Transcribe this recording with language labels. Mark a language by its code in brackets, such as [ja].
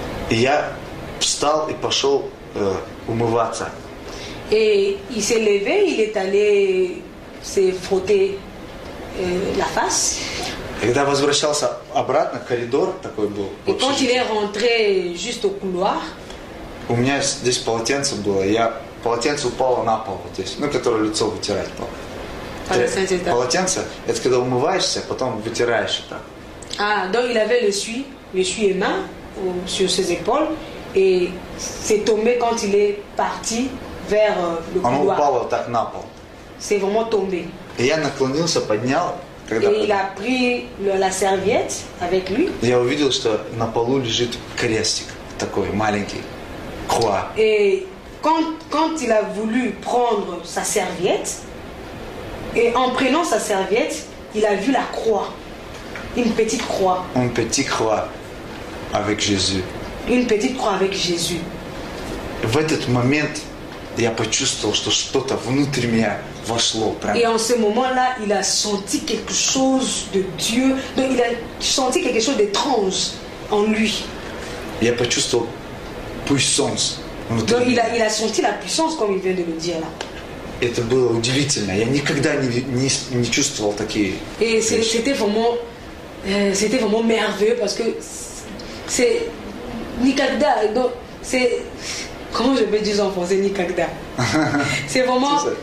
[ru] И я встал и пошел умываться. [fr] Et il s'est levé, il est allé se frotter la face. [ru] Когда возвращался обратно, коридор такой был. [fr] Et quand il est rentré juste au couloir. [ru] У меня здесь полотенце было. Я полотенце упало на пол вот здесь, ну, которое лицо вытирать было. Полотенце, это когда умываешься, потом вытираешь это. [fr] А, donc il avait l'essuie-main sur ses épaules et c'est tombé quand il est parti vers le couloir. [ru] Оно упало так на пол. [fr] C'est vraiment tombé. Et [ru] я наклонился, поднял. [fr] Et il a pris la serviette avec lui. [ru] Я увидел, что на полу лежит крестик такой маленький, croix. [fr] Et quand il a voulu prendre sa serviette, et en prenant sa serviette, il a vu la croix, une petite croix. Une petite croix avec Jésus. Une petite croix avec Jésus. [ru] В этот момент я почувствовал, что что-то внутри меня вошло. [fr] Et en ce moment-là, il a senti quelque chose de Dieu. Donc, il a senti quelque chose d'étrange en lui. [ru] Я почувствовал puissance внутри. [fr] Donc, il a senti la puissance, comme il vient de le dire là. [ru] Это было удивительно. Я никогда не чувствовал такие. [fr] Et c'était vraiment merveilleux parce que c'est никогда. Donc, c'est comment je peux dire en français никогда. C'est vraiment.